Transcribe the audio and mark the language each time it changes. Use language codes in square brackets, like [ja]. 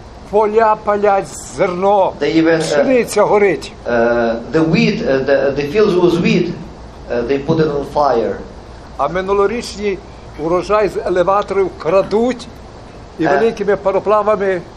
[uk] Поля палять, зерно, пшениця горить. [en] The wheat, the fields with wheat, they put it on fire. [uk] А минулорічний урожай з елеваторів крадуть і великими пароплавами.